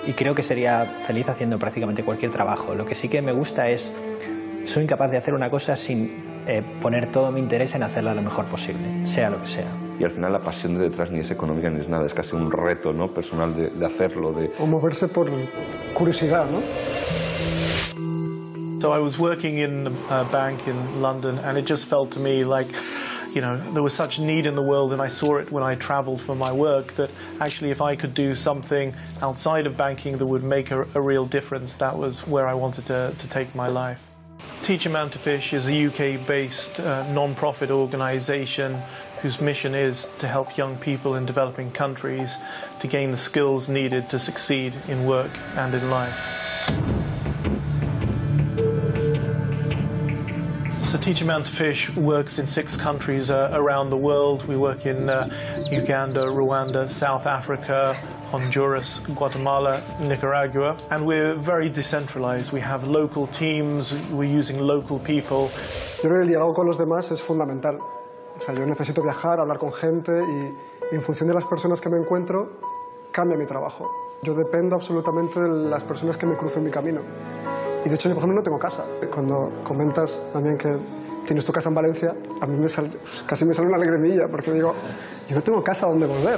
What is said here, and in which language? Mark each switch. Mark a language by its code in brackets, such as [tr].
[es] Y creo que sería feliz haciendo prácticamente cualquier trabajo. Lo que sí que me gusta es... Soy incapaz de hacer una cosa sin poner todo mi interés en hacerla lo mejor posible, sea lo que sea. Y al final la pasión de detrás ni es económica ni es nada, es casi un reto, ¿no?, personal de hacerlo. De... O moverse por curiosidad, ¿no? [en] So I was working in a bank in London and it just felt to me like, you know, there was such need in the world and I saw it when I traveled for my work that actually if I could do something outside of banking that would make a real difference, that was where I wanted to take my life. Teach a Man to Fish is a UK-based non-profit organisation whose mission is to help young people in developing countries to gain the skills needed to succeed in work and in life. So Teach a Man to Fish works in 6 countries around the world. We work in Uganda, Rwanda, South Africa, Honduras, Guatemala, Nicaragua. And we're very decentralized. We have local teams, we're using local people. [es] Yo creo que el diálogo con los demás es fundamental. O sea, yo necesito viajar, hablar con gente y en función de las personas que me encuentro, cambia mi trabajo. Yo dependo absolutamente de las personas que me cruzan mi camino. Y de hecho, yo, por ejemplo, no tengo casa. Cuando comentas también que tienes tu casa en Valencia, a mí casi me sale una lagrimilla, porque digo, yo no tengo casa donde volver.